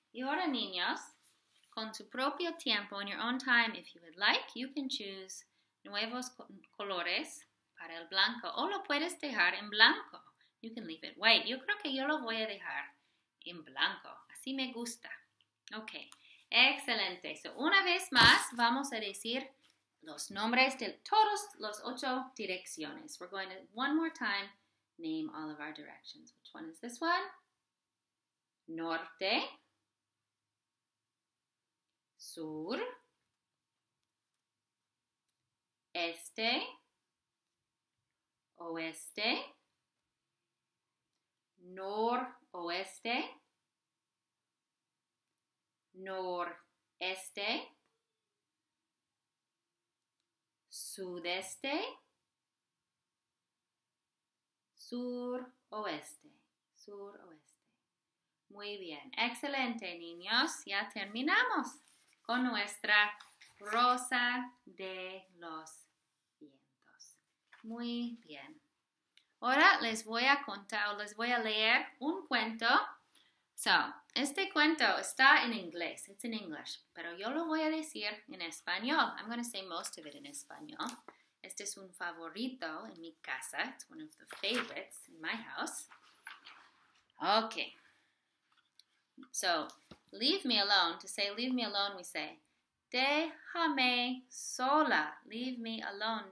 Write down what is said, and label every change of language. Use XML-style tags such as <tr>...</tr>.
<es>Y ahora, niños, con su propio tiempo,</es> <en>in your own time, if you would like, you can choose</en> <es>nuevos colores para el blanco. O lo puedes dejar en blanco.</es> <en>You can leave it white.</en> <es>Yo creo que yo lo voy a dejar en blanco. Así me gusta. Ok. Excelente. So, una vez más, vamos a decir los nombres de todos los 8 direcciones.</es> <en>We're going to, one more time, name all of our directions. Which one is this one? Norte.</en> <es>Sur. Este. Oeste. Noroeste, noreste, sudeste, suroeste, suroeste. Muy bien, excelente niños, ya terminamos con nuestra rosa de los vientos. Muy bien. Ahora les voy a contar o les voy a leer un cuento. So, este cuento está en inglés.</es> <en>It's in English.</en> <es>Pero yo lo voy a decir en español.</es> <en>I'm going to say most of it in español.</en> <es>Este es un favorito en mi casa.</es> <en>It's one of the favorites in my house. Okay. So, leave me alone. To say leave me alone, we say,</en> <es>déjame sola.</es> <en>Leave me alone.</en>